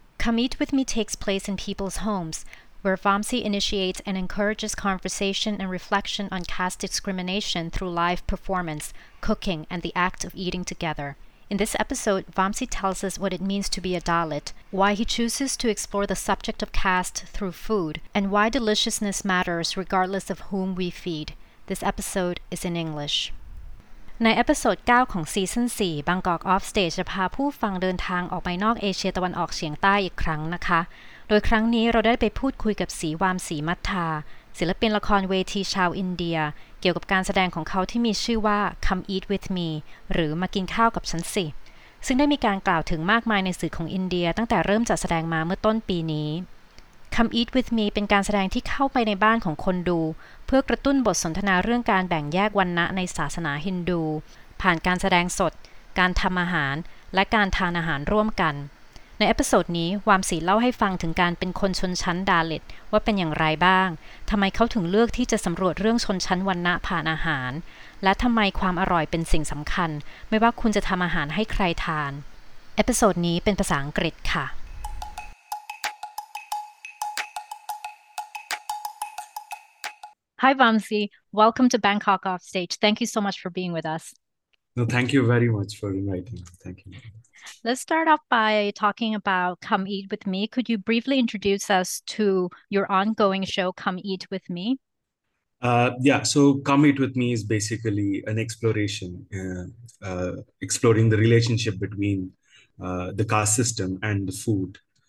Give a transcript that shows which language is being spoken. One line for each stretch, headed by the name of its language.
English: Come Eat With Me takes place in people's homes, where Vamsi initiates and encourages conversation and reflection on caste discrimination through live performance, cooking, and the act of eating together. In this episode, Vamsi tells us what it means to be a Dalit, why he chooses to explore the subject of caste through food, and why deliciousness matters regardless of whom we feed. This episode is in English.
Thai: ในเอพิโซด9ของซีซั่น4 Bangkok Offstage จะพาผู้ฟังเดินทางออกไปนอกเอเชียตะวันออกเฉียงใต้อีกครั้งนะคะโดยครั้งนี้เราได้ไปพูดคุยกับศรีวามศรีมัทธาศิลปินละครเวทีชาวอินเดียเกี่ยวกับการแสดงของเขาที่มีชื่อว่า Come Eat With Me หรือมากินข้าวกับฉันสิซึ่งได้มีการกล่าวถึงมากมายในสื่อของอินเดียตั้งแต่เริ่มจัดแสดงมาเมื่อต้นปีนี้ Come Eat With Me เป็นการแสดงที่เข้าไปในบ้านของคนดูเพื่อกระตุ้นบทสนทนาเรื่องการแบ่งแยกวรรณะในศาสนาฮินดูผ่านการแสดงสดการทำอาหารและการทานอาหารร่วมกัน ในเอพิโซดนี้วามศรีเล่าให้ฟังถึงการเป็นคนชนชั้นดาลิตว่าเป็นอย่างไรบ้างทำไมเขาถึงเลือกที่จะสำรวจเรื่องชนชั้นวรรณะผ่านอาหารและทำไมความอร่อยเป็นสิ่งสำคัญไม่ว่าคุณจะทำอาหารให้ใครทานเอพิโซดนี้เป็นภาษาอังกฤษค่ะ
English: Hi,
Thai: Vamsi.
English: Welcome to Bangkok Offstage. Thank you so much for being with us. No, thank you very much for inviting me. Thank you. Let's start off by talking about Come Eat With Me. Could you briefly introduce us to your ongoing show, Come Eat With Me? So Come Eat With Me is basically an exploration, exploring the relationship between the caste system and the food.